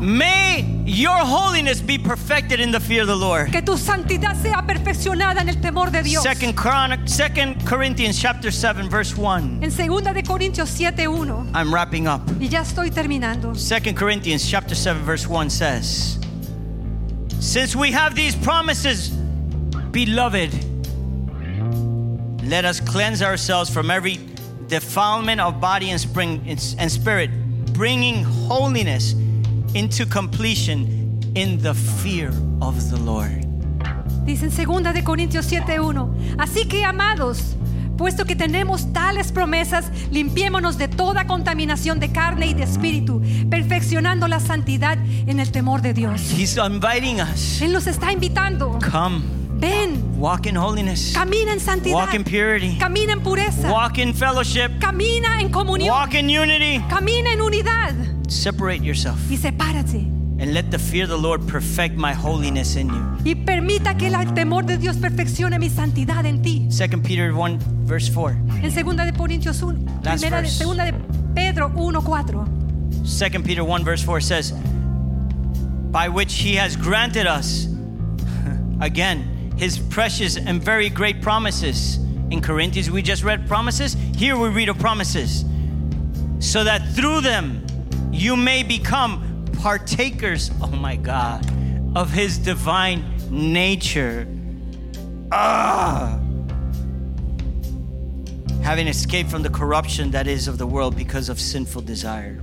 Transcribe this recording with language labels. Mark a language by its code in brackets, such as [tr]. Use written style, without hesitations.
[en] May your holiness be perfected in the fear of the Lord. [es] Que tu santidad sea perfeccionada en el temor de Dios. [en] Second Corinthians chapter 7 verse 1. [es] En segunda de Corintios 7:1. [en] I'm wrapping up. [es] Y ya estoy terminando. [en] Second Corinthians chapter 7 verse 1 says, "Since we have these promises, beloved, let us cleanse ourselves from every defilement of body and spirit, bringing holiness into completion in the fear of the Lord." [es] Dice en segunda de Corintios 7:1. Así que amados, puesto que tenemos tales promesas, limpiémonos de toda contaminación de carne y de espíritu, perfeccionando la santidad en el temor de Dios. [en] He's inviting us. [es] Él nos está invitando. [en] Come. [es] Ven. [en] Walk in holiness. [es] Camina en santidad. [en] Walk in purity. [es] Camina en pureza. [en] Walk in fellowship. [es] Camina en comunión. [en] Walk in unity. [es] Camina en unidad. [en] Separate yourself. [es] Y sepárate. [en] And let the fear of the Lord perfect my holiness in you. [es] Y permita que el temor de Dios perfeccione mi santidad en ti. [en] 2 Peter 1 verse 4. [es] En segunda de Corintios 1, primera de segunda de Pedro 1:4. [en] 2 Peter 1 verse 4 says, by which he has granted us again his precious and very great promises. In Corinthians we just read promises, here we read of promises, so that through them you may become partakers, oh my God, of his divine nature, having escaped from the corruption that is of the world because of sinful desire.